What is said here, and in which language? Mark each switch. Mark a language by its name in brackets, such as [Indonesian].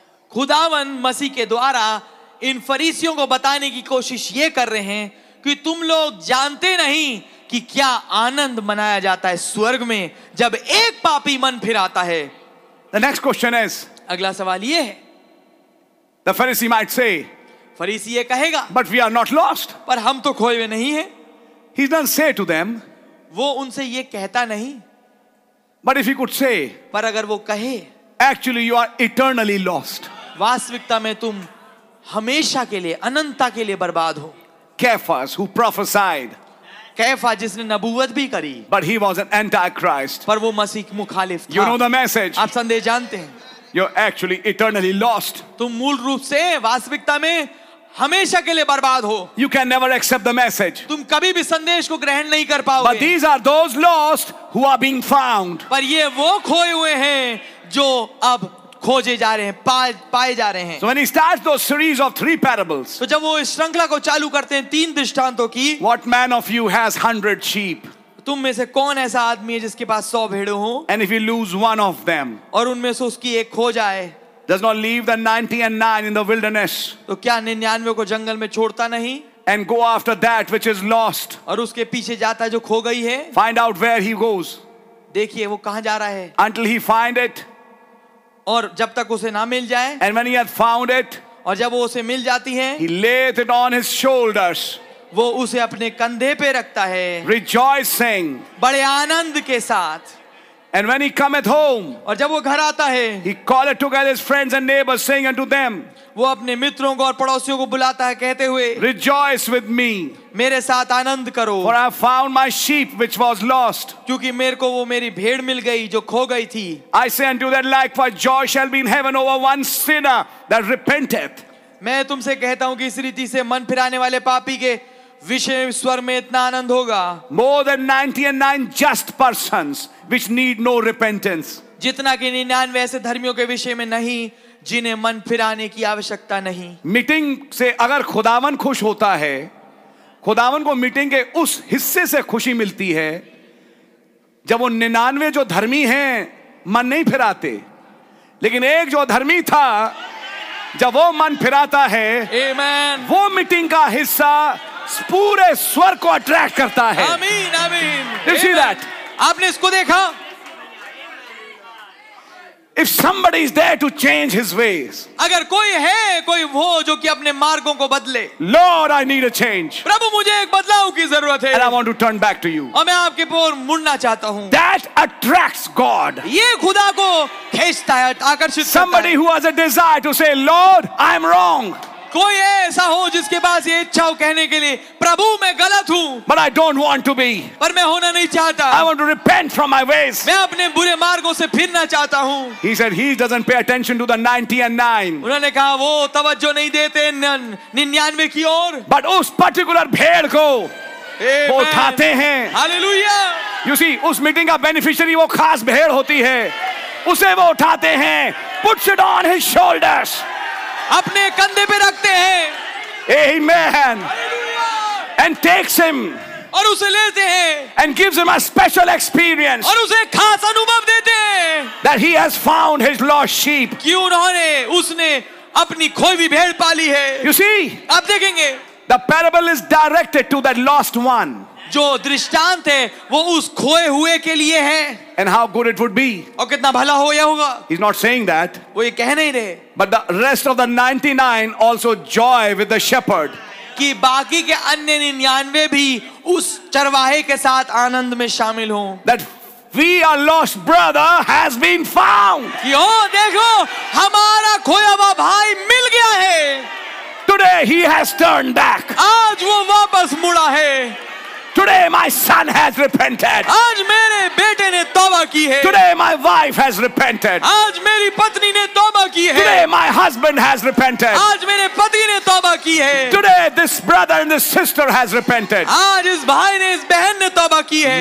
[Hindi] खुदावन मसीह के द्वारा इन फरीसियों को बताने की कोशिश ये कर रहे हैं कि तुम लोग जानते नहीं कि क्या आनंद मनाया जाता है स्वर्ग में जब एक पापी मन फिर आता है [English] The next question is, [Hindi] अगला सवाल ये है [English] The Pharisee might say, [Hindi] फरीसी ये कहेगा [English] But we are not lost. [Hindi] पर हम तो खोए हुए नहीं है [English] He doesn't say to them, [Hindi] वो उनसे ये कहता नहीं [English] But if he could say, [Hindi] पर अगर वो कहे [English] Actually you are eternally lost. [Hindi] वास्तविकता में तुम हमेशा के लिए अनंतता के लिए बर्बाद हो [English] Caiaphas who prophesied [Hindi] कैफा जिसने नबुवत भी करी [English] but he was an antichrist [Hindi] पर वो मसीह मुखालिफ था [English] you know the message [Hindi] आप संदेश जानते हैं [English] you are actually eternally lost [Hindi] तुम मूल रूप से वास्तविकता में हमेशा के लिए बर्बाद हो [English] you can never accept the message [Hindi] तुम कभी भी संदेश को ग्रहण नहीं कर पाओगे [English] but these are those lost who are being found [Hindi] पर ये वो खोए हुए हैं जो अब खोजे जा रहे हैं पाए जा रहे हैं [English] So when he starts those series of three parables, [Hindi] तो जब वो इस श्रृंखला को चालू करते हैं तीन दृष्टांतों की [English] What man of you has 100 sheep? [Hindi] तुम में से कौन ऐसा आदमी है जिसके पास 100 भेड़ों हो [English] And if he lose one of them, [Hindi] और उनमें से उसकी एक खो जाए [English] Does not leave the 99 in the wilderness, [Hindi] तो क्या 99 को जंगल में छोड़ता नहीं [English] And go after that which is lost, [Hindi] और उसके पीछे जाता है जो खो गई है [English] Find out where he goes, [Hindi] देखिए वो कहां जा रहा है [English] Until he find it, [Hindi] और जब तक उसे ना मिल जाए [English] And when he had found it, [Hindi] और जब वो उसे मिल जाती है [English] he laid it on his shoulders, [Hindi] वो उसे अपने कंधे पे रखता है [English] rejoicing, [Hindi] बड़े आनंद के साथ [English] And when he cometh home, [Hindi] और जब वो घर आता है [English] he called together his friends and neighbors, saying unto them, [Hindi] वो अपने मित्रों को और पड़ोसियों को बुलाता है कहते हुए [English] Rejoice with me, [Hindi] मेरे साथ आनंद करो [English] For I have found my sheep which was lost, [Hindi] क्योंकि मेरे को वो मेरी भेड़ मिल गई जो खो गई थी [English] I say unto that likewise joy shall be in heaven over one sinner that repenteth, [Hindi] मैं तुमसे कहता हूँ कि इस रीति से मन फिराने वाले पापी के विषय स्वर में इतना आनंद होगा [English] More than 99 just persons which need no repentance, [Hindi] जितना कि 99 ऐसे धर्मियों के विषय में नहीं जिन्हें मन फिराने की आवश्यकता नहीं मीटिंग से अगर खुदावन खुश होता है खुदावन को मीटिंग के उस हिस्से से खुशी मिलती है जब वो 99 जो धर्मी हैं मन नहीं फिराते लेकिन एक जो धर्मी था जब वो मन फिराता है [English] Amen. [Hindi] वो मीटिंग का हिस्सा पूरे स्वर को अट्रैक्ट करता है आमीन आमीन [English] you see that [Hindi] आपने इसको देखा [English] If somebody is there to change his ways, [Hindi] अगर कोई है कोई वो जो कि अपने मार्गों को बदले, [English] Lord, I need a change. [Hindi] प्रभु मुझे एक बदलाव की जरूरत है. [English] And I want to turn back to you. [Hindi] और मैं आपके पास मुड़ना चाहता हूँ. [English] That attracts God. [Hindi] ये खुदा को खींचता है, आकर्षित करता है. [English] Somebody who has a desire to say, Lord, I am wrong. [Hindi] कोई ऐसा हो जिसके पास ये इच्छा हो कहने के लिए प्रभु मैं गलत हूँ [English] But I don't want to be. [Hindi] पर मैं होना नहीं चाहता [English] I want to repent from my ways. [Hindi] मैं अपने बुरे मार्गों से फिरना चाहता हूँ [English] He said he doesn't pay attention to the 99. [Hindi] उन्होंने कहा वो तवज्जो नहीं देते 99 की ओर But उस पर्टिकुलर भेड़ को वो उठाते हैं [English] Hallelujah. You see, [Hindi] उस मीटिंग का बेनिफिशियरी वो खास भेड़ होती है उसे वो उठाते हैं [English] Puts it on his shoulders. [Hindi] अपने कंधे पे रखते हैं [English] Amen. And takes him. [Hindi] और उसे लेते हैं [English] and gives him a special experience [Hindi] और उसे खास अनुभव देते हैं [English] that he has found his lost sheep [Hindi] कि उन्होंने उसने अपनी खोई हुई भेड़ पाली है [English] you see [Hindi] आप देखेंगे [English] the parable is directed to that lost one [Hindi] जो दृष्टांत है वो उस खोए हुए के लिए है [English] And how good it would be. [Hindi] और कितना भला हो या होगा? [English] He's not saying that. [Hindi] वो ये कह नहीं रहे. [English] But the rest of the 99 also joy with the shepherd. [Hindi] कि बाकी के अन्य 99 भी उस चरवाहे के साथ आनंद में शामिल हों. [English] That we our lost brother has been found. [Hindi] कि ओ देखो हमारा खोया हुआ भाई मिल गया है. [English] Today he has turned back. [Hindi] आज वो वापस मुड़ा है. [English] Today my son has repented. [Hindi] आज मेरे बेटे ने तौबा की है. [English] Today my wife has repented. [Hindi] आज मेरी पत्नी ने तौबा की है. [English] Today my husband has repented. [Hindi] आज मेरे पति ने तौबा की है. [English] Today this brother and this sister has repented. [Hindi] आज इस भाई ने इस बहन ने तौबा की है.